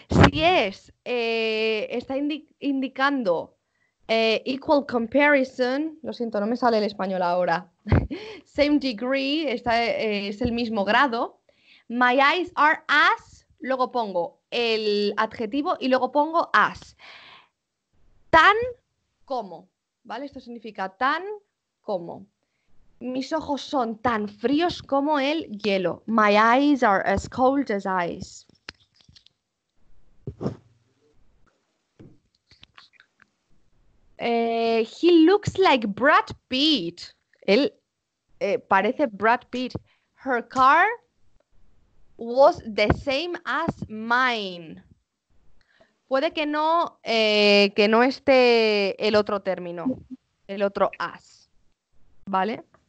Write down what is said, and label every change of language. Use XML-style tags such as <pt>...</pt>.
<es>10 está indicando equal comparison, lo siento, no me sale el español ahora,</es> <en>same degree,</en> <es>está, es el mismo grado,</es> <en>my eyes are as,</en> <es>luego pongo el adjetivo y luego pongo as, tan como, ¿vale? Esto significa tan como. Mis ojos son tan fríos como el hielo.</es> <en>My eyes are as cold as ice. He looks like Brad Pitt.</en> <es>Él parece Brad Pitt.</es> <en>Her car was the same as mine.</en> <es>Puede que no esté el otro término, el otro as, ¿vale?</es>